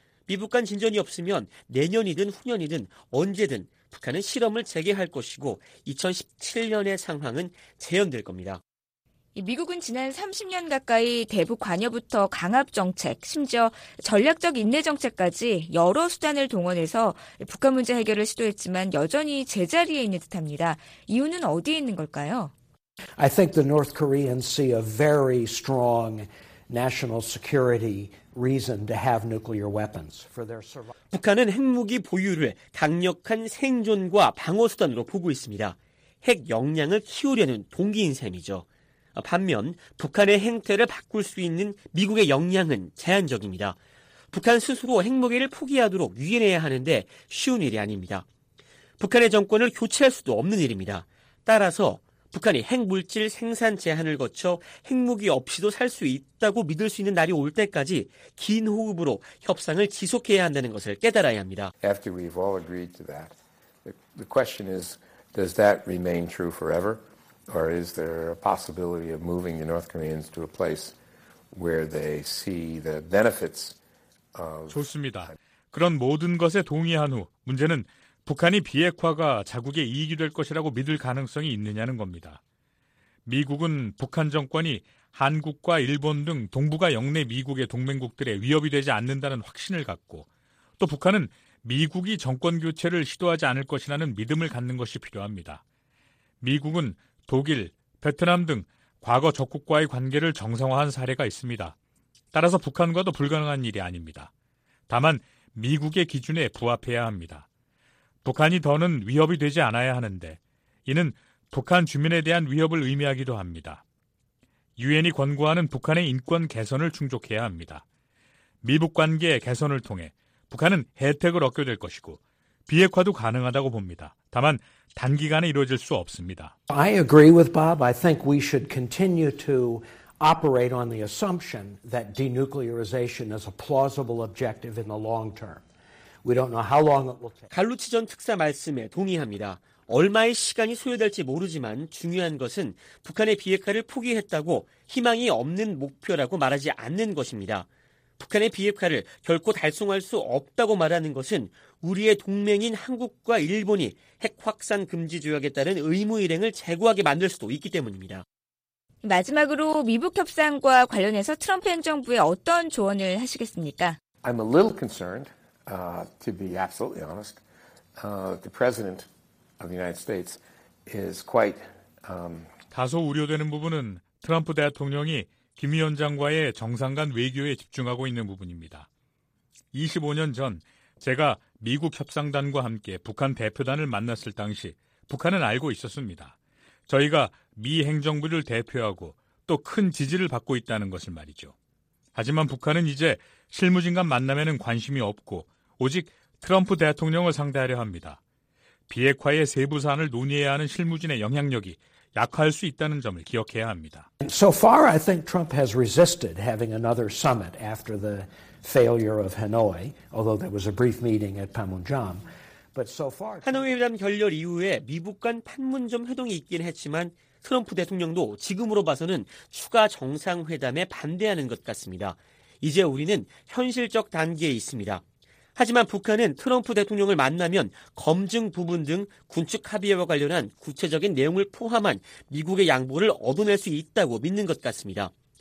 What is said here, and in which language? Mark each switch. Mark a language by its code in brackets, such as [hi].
[ko] 미북 간 진전이 없으면 내년이든 후년이든 언제든 북한은 실험을 재개할 것이고 2017년의 상황은 재현될 겁니다. 미국은 지난 30년 가까이 대북 관여부터 강압 정책, 심지어 전략적 인내 정책까지 여러 수단을 동원해서 북한 문제 해결을 시도했지만 여전히 제자리에 있는 듯합니다. 이유는 어디에 있는 걸까요? [en] I think the North Koreans see a very strong national security reason to have nuclear weapons for their survival. [ko] 북한은 핵무기 보유를 강력한 생존과 방어 수단으로 보고 있습니다. 핵 역량을 키우려는 동기인 셈이죠. 반면 북한의 행태를 바꿀 수 있는 미국의 역량은 제한적입니다. 북한 스스로 핵무기를 포기하도록 유인해야 하는데 쉬운 일이 아닙니다. 북한의 정권을 교체할 수도 없는 일입니다. 따라서 북한이 핵물질 생산 제한을 거쳐 핵무기 없이도 살 수 있다고 믿을 수 있는 날이 올 때까지 긴 호흡으로 협상을 지속해야 한다는 것을 깨달아야 합니다. [en] After we've all agreed to that, the question is, does that remain true forever? Or is there a possibility of moving the North Koreans to a place where they see the benefits of [ko] 좋습니다. 그런 모든 것에 동의한 후 문제는 북한이 비핵화가 자국의 이익이 될 것이라고 믿을 가능성이 있느냐는 겁니다. 미국은 북한 정권이 한국과 일본 등 동북아 영내 미국의 동맹국들의 위협이 되지 않는다는 확신을 갖고 또 북한은 미국이 정권 교체를 시도하지 않을 것이라는 믿음을 갖는 것이 필요합니다. 미국은 독일, 베트남 등 과거 적국과의 관계를 정상화한 사례가 있습니다. 따라서 북한과도 불가능한 일이 아닙니다. 다만 미국의 기준에 부합해야 합니다. 북한이 더는 위협이 되지 않아야 하는데 이는 북한 주민에 대한 위협을 의미하기도 합니다. 유엔이 권고하는 북한의 인권 개선을 충족해야 합니다. 미북 관계 개선을 통해 북한은 혜택을 얻게 될 것이고 비핵화도 가능하다고 봅니다. 다만 단기간에 이루어질 수 없습니다. [en] I agree with Bob. I think we should continue to operate on the assumption that denuclearization is a plausible objective in the long term. We don't know how long it will take. [ko] 갈루치 전 특사 말씀에 동의합니다. 얼마의 시간이 소요될지 모르지만 중요한 것은 북한의 비핵화를 포기했다고 희망이 없는 목표라고 말하지 않는 것입니다. 북한의 비핵화를 결코 달성할 수 없다고 말하는 것은 우리의 동맹인 한국과 일본이 핵 확산 금지 조약에 따른 의무 일행을 재고하게 만들 수도 있기 때문입니다. 마지막으로 미북 협상과 관련해서 트럼프 행정부에 어떤 조언을 하시겠습니까? [en] I'm a little concerned, to be absolutely honest. The president of the United States is quite [ko] 다소 우려되는 부분은 트럼프 대통령이 김 위원장과의 정상 간 외교에 집중하고 있는 부분입니다. 25년 전 제가 미국 협상단과 함께 북한 대표단을 만났을 당시 북한은 알고 있었습니다. 저희가 미 행정부를 대표하고 또 큰 지지를 받고 있다는 것을 말이죠. 하지만 북한은 이제 실무진 간 만남에는 관심이 없고 오직 트럼프 대통령을 상대하려 합니다. 비핵화의 세부 사안을 논의해야 하는 실무진의 영향력이 약화할 수 있다는 점을 기억해야 합니다. [en] So far, I think Trump has resisted having another summit after the failure of Hanoi, although there was a brief meeting at Panmunjom. [ko] 하노이 회담 결렬 이후에 미북 간 판문점 회동이 있긴 했지만 트럼프 대통령도 지금으로 봐서는 추가 정상회담에 반대하는 것 같습니다. 이제 우리는 현실적 단계에 있습니다. 하지만 북한은 트럼프 대통령을 만나면 검증 부분 등 군축 합의와 관련한 구체적인 내용을 포함한 미국의 양보를 얻어낼 수 있다고 믿는 것 같습니다.